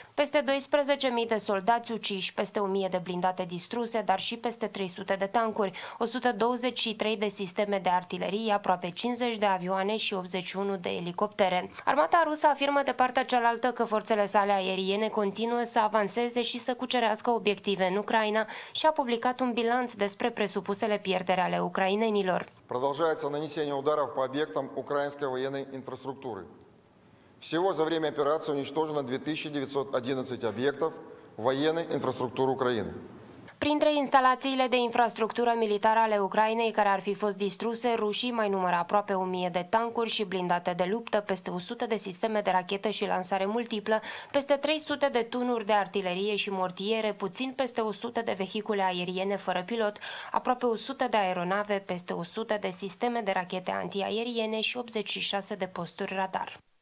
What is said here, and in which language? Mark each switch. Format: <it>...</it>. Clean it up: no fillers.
<ro>Peste 12.000 de soldați uciși, peste 1.000 de blindate distruse, dar și peste 300 de tancuri, 123 de sisteme de artilerie, aproape 50 de avioane și 81 de elicoptere. Armata rusă afirmă de partea cealaltă că forțele sale aeriene continuă să avanseze și să cucerească obiective în Ucraina și a publicat un bilanț despre presupusele pierderi ale ucrainenilor.</ro> <ru>Продолжается нанесение ударов по объектам украинской военной инфраструктуры. Всего за время операции уничтожено 2911 объектов военной инфраструктуры Украины.</ru> <ro>Printre instalațiile de infrastructură militară ale Ucrainei care ar fi fost distruse, rușii mai numără aproape 1.000 de tancuri și blindate de luptă, peste 100 de sisteme de rachetă și lansare multiplă, peste 300 de tunuri de artilerie și mortiere, puțin peste 100 de vehicule aeriene fără pilot, aproape 100 de aeronave, peste 100 de sisteme de rachete antiaeriene și 86 de posturi radar.</ro>